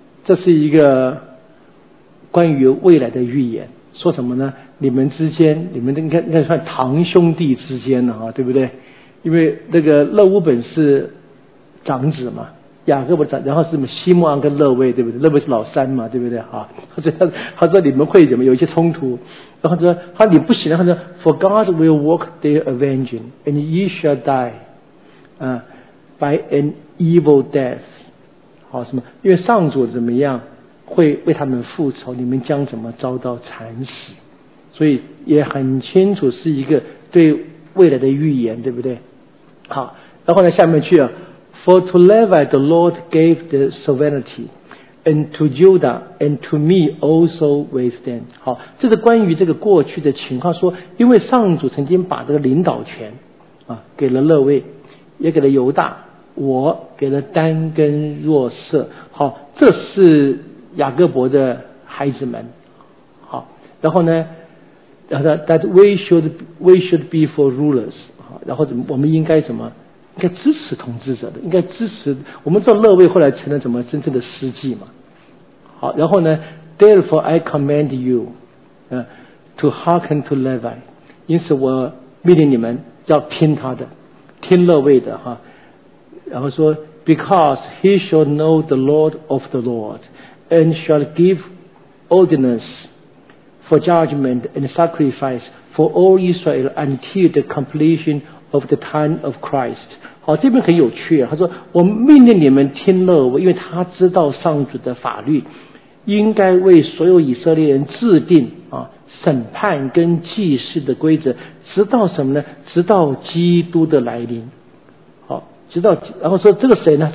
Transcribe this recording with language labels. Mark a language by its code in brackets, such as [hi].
[zh] 这是一个关于未来的预言，说什么呢？你们之间，你们应该算堂兄弟之间的啊，对不对？因为那个勒乌本是长子嘛，雅各伯长，然后是什么西莫安跟勒位，对不对？勒位是老三嘛，对不对？啊，他说你们会怎么有一些冲突？然后说他你不行，他说 [en] For God will work their avenging, and ye shall die, by an evil death. [zh] 好，什么？因为上主怎么样会为他们复仇？你们将怎么遭到惨死？所以也很清楚是一个对未来的预言，对不对？好，然后呢，下面去啊。 [en] For to Levi the Lord gave the sovereignty, and to Judah and to me also with them. [zh] 好，这是关于这个过去的情况，说因为上主曾经把这个领导权啊给了勒位，也给了犹大，我给了丹跟若瑟。好，这是雅各伯的孩子们。好，然后呢，然后 [en] that we should be for rulers. [zh] 好，然后我们应该什么？应该支持统治者的，应该支持。我们知道勒位后来成了什么真正的司祭嘛？好，然后呢 [en] ？Therefore I command you, to hearken to Levi. [zh] 因此我命令你们要听他的，听勒位的哈。然后说 [en] ，Because he shall know the Lord of the Lord, and shall give ordinance for judgment and sacrifice for all Israel until the completion. Of the time of Christ. [zh] 好，这边很有趣啊。他说：“我命令你们听勒位，因为他知道上主的法律，应该为所有以色列人制定啊审判跟祭祀的规则，直到什么呢？直到基督的来临。好，直到然后说这个谁呢？